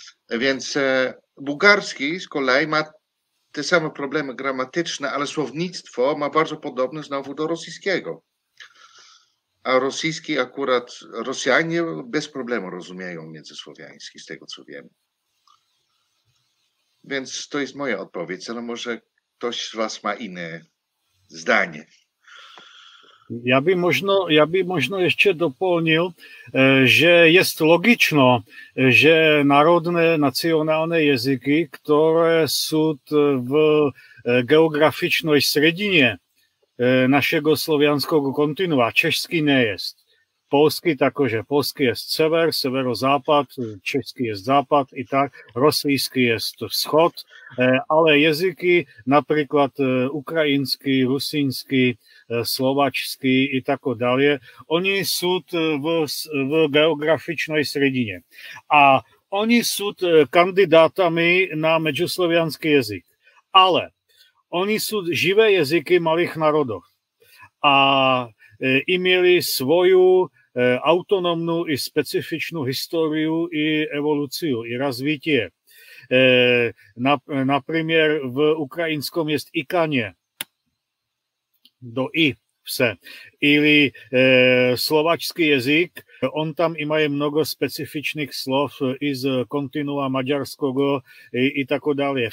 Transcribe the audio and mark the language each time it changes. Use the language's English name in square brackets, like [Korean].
[Polish] Więc bułgarski z kolei ma te same problemy gramatyczne, ale słownictwo ma bardzo podobne znowu do rosyjskiego. A rosyjski akurat, Rosjanie bez problemu rozumieją międzysłowiański, z tego co wiem. Więc to jest moja odpowiedź, ale może ktoś z was ma inne zdanie. [Slovak] Ja by možno ešte doplnil, že je logično, že národné nacionálne jazyky, ktoré sú v geografičnej sredine našeho slovianského kontinua, český nie je. Polský takože, polský je sever, severozápad, český je západ i tak, rosýský je vschod, ale jazyky, napríklad ukrajinský, rusínsky, slovačský i tako dalje, oni sú v geografičnej sredine. A oni sú kandidátami na medzislovianský jazyk. Ale oni sú živé jazyky malých národov. A im mieli svoju autonómnu i specifičnú históriu i evolúciu, i razvitie. Napríklad v ukrajinskom je ikanie. Do i vse. Ili slovačský jazyk, on tam ima je mnogo specifičných slov iz kontinua maďarského i tako dalje.